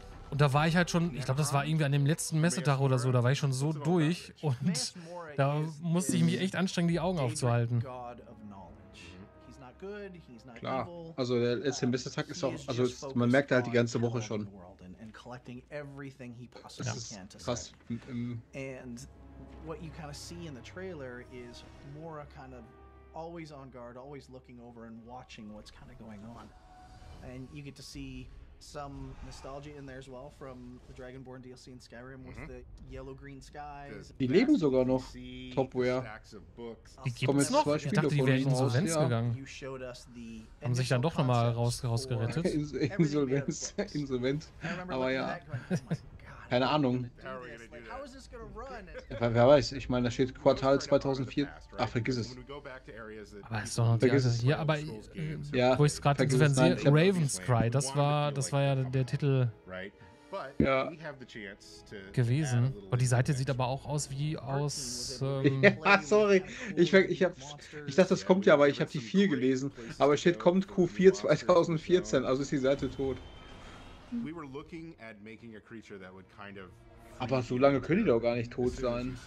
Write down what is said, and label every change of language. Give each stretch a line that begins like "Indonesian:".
German: Und da war ich halt schon, ich glaube, das war irgendwie an dem letzten Messetag oder so, da war ich schon so durch und da musste ich mich echt anstrengen, die Augen aufzuhalten. Klar, also der letzte Messetag ist auch, also man merkt halt die ganze Woche schon. Das ist krass.
English: what you kind of see in the trailer is Mora kind of always on guard, always looking over and watching what's kind of going on. And you get to see some nostalgia in there as well from the Dragonborn DLC in Skyrim mm-hmm. with the yellow-green skies.
German: Die leben sogar noch, Topware. Die gibt es noch? Ich dachte, die wären insolvent gegangen. Haben sich dann doch nochmal rausgerettet. Insolvent. Aber ja, keine Ahnung. Wer weiß, ich meine, da steht Quartal 2004. Ach, vergiss es. Aber ist doch noch vergiss es. Ja, aber ja, wo ich es gerade insofern sehe, Ravenscry, das war ja der Titel ja. gewesen. Und die Seite sieht aber auch aus wie aus... Ja, sorry. Ich dachte, das kommt ja, aber ich habe die 4 gelesen. Aber steht, kommt Q4 2014, also ist die Seite tot.
English: We were looking at making a creature that would kind of.
German: Aber so lange können die doch gar nicht tot sein.